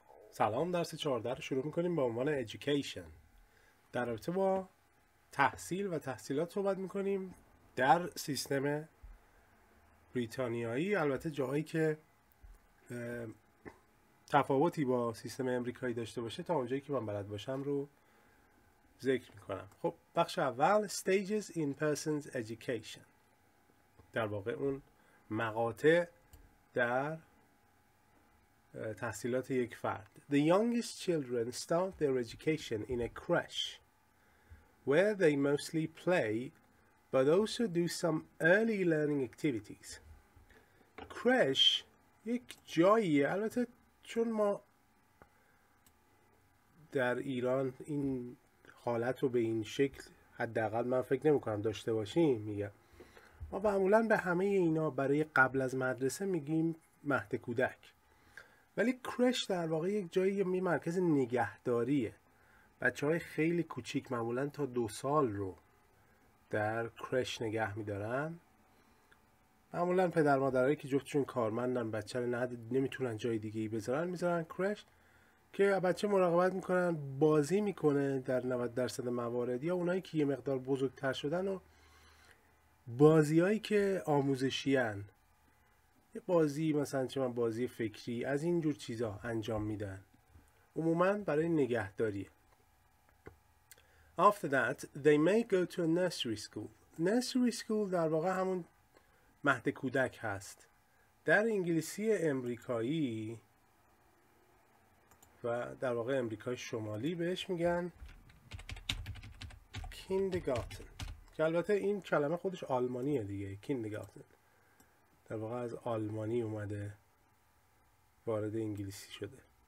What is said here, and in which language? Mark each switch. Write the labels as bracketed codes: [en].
[fa] سلام، درس 14 رو شروع میکنیم به عنوان Education در رابطه با تحصیل و تحصیلات صحبت میکنیم در سیستم بریتانیایی، البته جاهایی که تفاوتی با سیستم امریکایی داشته باشه تا اونجایی که من بلد باشم رو ذکر میکنم. خب بخش اول [en] Stages in Person's Education، [fa] در واقع اون مقاطع در تحصیلات یک فرد. [en] The youngest children start their education in a creche where they mostly play but also do some early learning activities. [fa] Creche یک جایی، البته چون ما در ایران این حالت رو به این شکل حداقل من فکر نمی‌کنم داشته باشیم، میگم ما معمولا به همه اینا برای قبل از مدرسه میگیم مهد کودک، ولی کرش در واقع یک جایی می مرکز نگهداریه. بچه های خیلی کوچیک معمولا تا 2 سال رو در کرش نگه می دارن. معمولا پدر مادرهایی که جفتشون کارمندن بچه رو نمیتونن جای دیگه ای بذارن، میذارن کرش که بچه مراقبت میکنن، بازی میکنه در 90% موارد، یا اونایی که یه مقدار بزرگتر شدن و بازیایی که آموزشیان، یه بازی مثلا چه من بازی فکری از این جور چیزا انجام میدن، عموما برای نگهداریه. [en] After that they may go to a nursery school. [fa] Nursery school در واقع همون مهد کودک هست در انگلیسی امریکایی، و در واقع امریکای شمالی بهش میگن kindergarten، که البته این کلمه خودش آلمانیه دیگه، kindergarten در واقع از آلمانی اومده وارد انگلیسی شده.